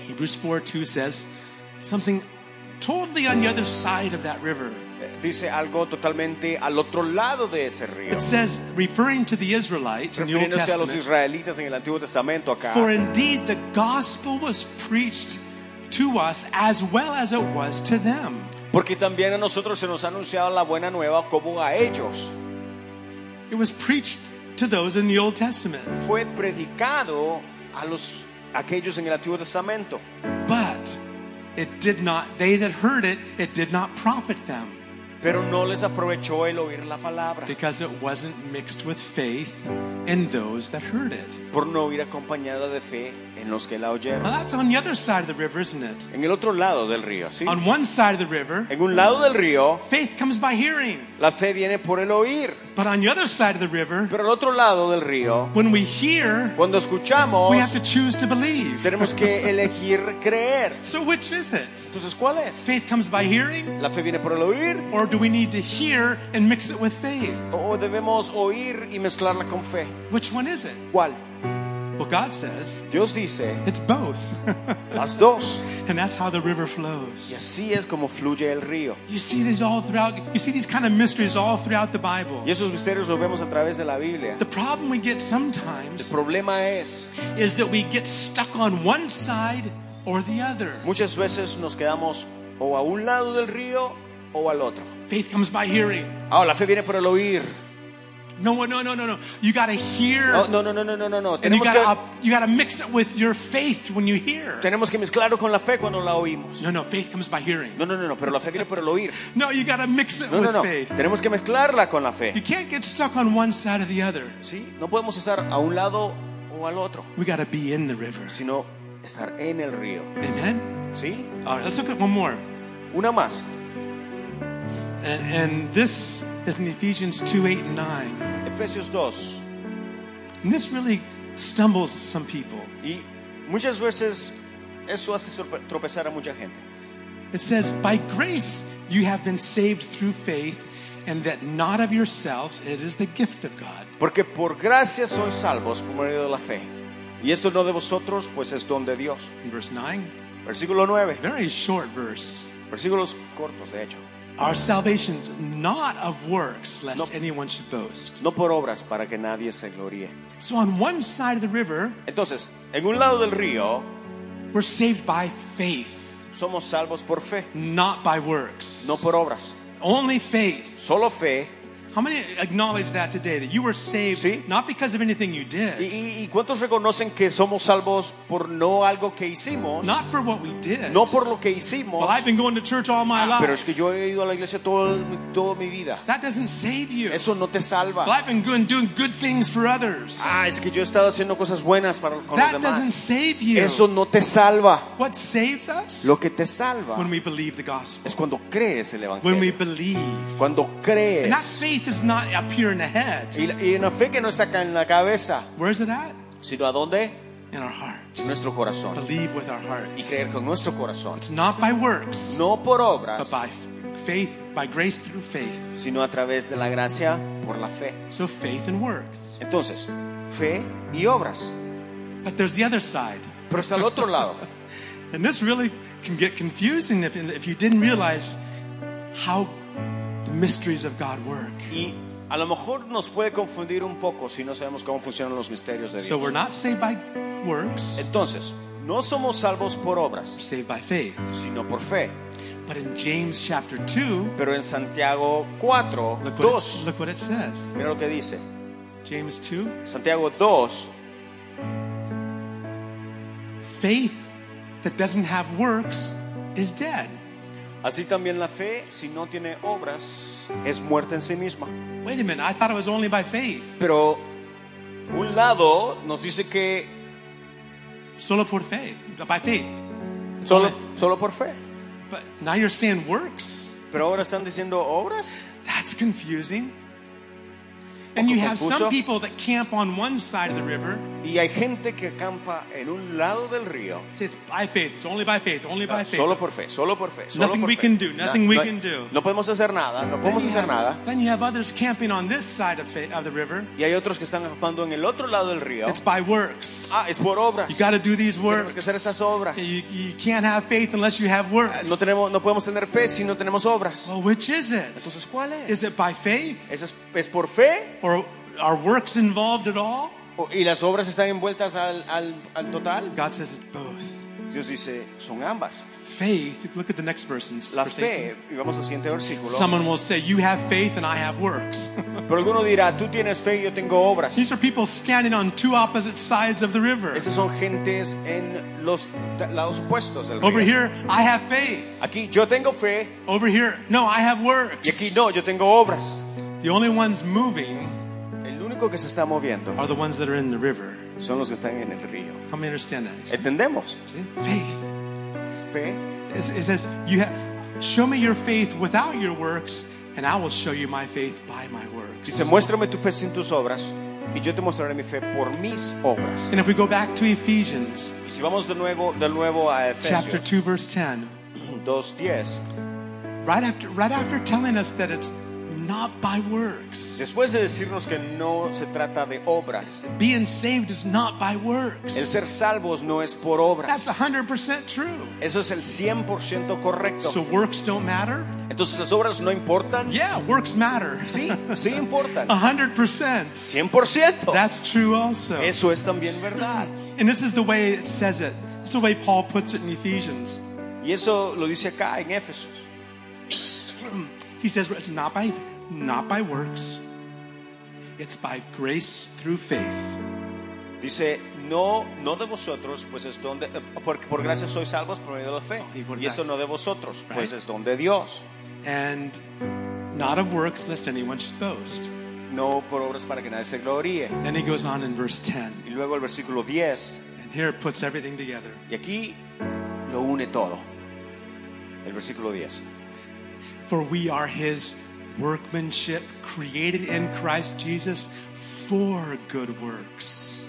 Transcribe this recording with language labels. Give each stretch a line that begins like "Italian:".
English: Hebrews 4:2 says something totally on the other side of that river.
Spanish: Dice algo totalmente al otro lado de ese río.
English: It says, referring to the Israelites in the Old Testament.
Spanish: Refiriéndose a los israelitas en el Antiguo Testamento acá.
English: For indeed the gospel was preached to us as well as it was to them.
Spanish: Porque también a nosotros se nos ha anunciado la buena nueva como a ellos.
English: It was preached to those in the Old Testament.
Spanish: Fue predicado a los aquellos en el Antiguo Testamento.
English: But it did not. They that heard it, it did not profit them.
Spanish: Pero no les aprovechó el oír la palabra.
English: Because it wasn't mixed with faith in those that heard it.
Spanish: Por no ir acompañada de fe en los que la oyeron.
English: Now that's on the other side of the river, isn't it?
Spanish: En el otro lado del río, sí.
English: On one side of the river.
Spanish: En un lado del río.
English: Faith comes by hearing.
Spanish: La fe viene por el oír.
English: But on the other side of the river.
Spanish: Pero al otro lado del río.
English: When we hear.
Spanish: Cuando escuchamos.
English: We have to choose to believe.
Spanish: Tenemos que elegir creer.
English: So which is it?
Spanish: Entonces, ¿cuál es?
English: Faith comes by hearing.
Spanish: La fe viene por el oír.
English: Or do we need to hear and mix it with faith?
Spanish: O debemos oír y mezclarla con fe.
English: Which one is it?
Spanish: ¿Cuál?
English: Well, God says.
Spanish: Dios dice.
English: It's both.
Spanish: Las dos.
English: And that's how the river flows.
Spanish: Y así es como fluye el río.
English: You see these all throughout. You see these kind of mysteries all throughout the Bible.
Spanish: Y esos misterios los vemos a través de la Biblia.
English: The problem we get sometimes.
Spanish: El problema es.
English: Is that we get stuck on one side or the other.
Spanish: Muchas veces nos quedamos o a un lado del río o al otro.
English: Faith comes by hearing.
Spanish: Ah, la fe viene por el oír.
English: No. You gotta hear.
Spanish: No.
English: You gotta mix it with your faith when you hear.
Spanish: Tenemos que mezclarlo con la fe cuando la oímos.
English: No. Faith comes by hearing.
Spanish: No. Pero la fe viene por el oír.
English: No, you gotta mix it
Spanish: no,
English: with
Spanish: no, no.
English: faith.
Spanish: Tenemos que mezclarla con la fe.
English: You can't get stuck on one side or the other.
Spanish: Sí, no podemos estar a un lado o al otro.
English: We gotta be in the river.
Spanish: Sino estar en el río.
English: Amen.
Spanish: Sí.
English: All right. Let's look at one more.
Spanish: Una más.
English: And this is in Ephesians 2:8-9.
Spanish: Efesios 2.
English: And this really stumbles some people.
Spanish: Y muchas veces eso hace tropezar a mucha gente.
English: It says, "By grace you have been saved through faith, and that not of yourselves; it is the gift of God."
Spanish: Porque por gracia sois salvos por medio de la fe, y esto no de vosotros, pues es don de Dios.
English: Verse 9.
Spanish: Versículo 9.
English: Very short verse.
Spanish: Versículos cortos, de hecho.
English: Our salvation's not of works, lest anyone should boast.
Spanish: No por obras, para que nadie se gloríe.
English: So on one side of the river,
Spanish: entonces, en un lado del río,
English: we're saved by faith.
Spanish: Somos salvos por fe.
English: Not by works.
Spanish: No por obras.
English: Only faith.
Spanish: Solo fe.
English: How many acknowledge that today, that you were saved,
Spanish: ¿sí?,
English: not because of anything you did?
Spanish: ¿Y cuántos reconocen que somos salvos por no algo que hicimos?
English: Not for what we did.
Spanish: No por lo que hicimos.
English: Well, I've been going to church all my life.
Spanish: Pero es que yo he ido a la iglesia toda mi vida.
English: That doesn't save you.
Spanish: Eso no te salva.
English: Well, I've been doing good things for others.
Spanish: Es que yo he estado haciendo cosas buenas para con
English: that
Spanish: los demás.
English: That doesn't save you.
Spanish: Eso no te salva.
English: What saves us?
Spanish: Lo que te salva.
English: When we believe the gospel.
Spanish: Es cuando crees el evangelio.
English: When we believe.
Spanish: Cuando crees.
English: And that faith is not up here in the head.
Spanish: Y una fe que no está acá en la cabeza.
English: Where is it at?
Spanish: Sino ¿a dónde?
English: In our heart.
Spanish: En nuestro corazón.
English: Believe with our heart.
Spanish: Y creer con nuestro corazón.
English: It's not by works.
Spanish: No por obras.
English: But by faith, by grace through faith.
Spanish: Sino a través de la gracia por la fe.
English: So faith and works.
Spanish: Entonces, fe y obras.
English: But there's the other side.
Spanish: Pero está al otro lado.
English: And this really can get confusing if you didn't realize how the mysteries of God work.
Spanish: Y a lo mejor nos puede confundir un poco si no sabemos cómo funcionan los misterios de Dios.
English: So we're not saved by works.
Spanish: Entonces, no somos salvos por obras.
English: We're saved by faith.
Spanish: Sino por fe.
English: But in James chapter 2,
Spanish: pero en Santiago 4,
English: look what it says.
Spanish: Mira lo que dice.
English: James 2.
Spanish: Santiago 2.
English: Faith that doesn't have works is dead.
Spanish: Así también la fe, si no tiene obras, es muerta en sí misma.
English: Wait a minute, I thought it was only by faith.
Spanish: Pero un lado nos dice que solo por fe,
English: by faith.
Spanish: Solo por fe.
English: But now you're saying works.
Spanish: Pero ahora están diciendo obras.
English: That's confusing. And you have some people that camp on one side of the river.
Spanish: Y hay gente que acampa en un lado del río.
English: It's by faith. It's only by faith. Only by faith.
Spanish: Solo por fe. Solo por fe. Solo
English: nothing
Spanish: por
English: we
Spanish: fe.
English: Can do. Nothing no, we
Spanish: no,
English: can do.
Spanish: No podemos hacer nada. No podemos hacer nada.
English: Then you have others camping on this side of the river.
Spanish: Y hay otros que están acampando en el otro lado del río.
English: It's by works.
Spanish: Es por obras.
English: You got to do these works.
Spanish: Tenemos que hacer esas obras.
English: You can't have faith unless you have works.
Spanish: No podemos tener fe si no tenemos obras.
English: Well, which is it?
Spanish: Entonces, ¿cuál es?
English: Is it by faith?
Spanish: ¿Es por fe?
English: Or are works involved at all?
Spanish: ¿Y las obras están envueltas al total?
English: God says it's both.
Spanish: Dios dice, son ambas.
English: Faith, look at the next person.
Spanish: La fe, y vamos al siguiente versículo.
English: Someone will say, you have faith and I have works.
Spanish: Pero alguno dirá, tú tienes fe y yo tengo obras.
English: These are people standing on two opposite sides of the river.
Spanish: Esas son gentes en los lados opuestos del río.
English: Over here, I have faith.
Spanish: Aquí, yo tengo fe.
English: Over here, no, I have works.
Spanish: Y aquí, no, yo tengo obras.
English: The only ones moving,
Spanish: el único que se está moviendo,
English: are the ones that are in the river.
Spanish: Son los que están en el río.
English: How many understand that?
Spanish: Entendemos.
English: See? Faith.
Spanish: Fe.
English: It says, "You have show me your faith without your works, and I will show you my faith by my works."
Spanish: Dice, muéstrame tu fe sin tus obras, y yo te mostraré mi fe por mis obras.
English: And if we go back to Ephesians,
Spanish: y si vamos de nuevo a Efesios,
English: chapter 2, verse 10,
Spanish: 2:10,
English: right after telling us that it's not by works.
Spanish: Después de decirnos que no se trata de obras.
English: Being saved is not by works.
Spanish: El ser salvos no es por obras.
English: That's 100% true.
Spanish: Eso es el 100% correcto.
English: So works don't matter?
Spanish: Entonces las obras no importan?
English: Yeah, works matter.
Spanish: Sí, sí importan.
English: 100%.
Spanish: 100%.
English: That's true also.
Spanish: Eso es también verdad.
English: And this is the way it says it. It's the way Paul puts it in Ephesians.
Spanish: Y eso lo dice acá en Éfesos.
English: He says it's not by works. It's by grace through faith.
Spanish: Dice, no de vosotros, pues es don de porque por gracia sois salvos por medio de la fe. Y esto no de vosotros,
English: right?
Spanish: Pues es don de Dios.
English: And not of works, lest anyone should boast.
Spanish: No por obras para que nadie se gloríe.
English: Then he goes on in verse 10.
Spanish: Y luego el versículo 10.
English: And here it puts everything together.
Spanish: Y aquí lo une todo. El versículo 10.
English: For we are his workmanship created in Christ Jesus for good works.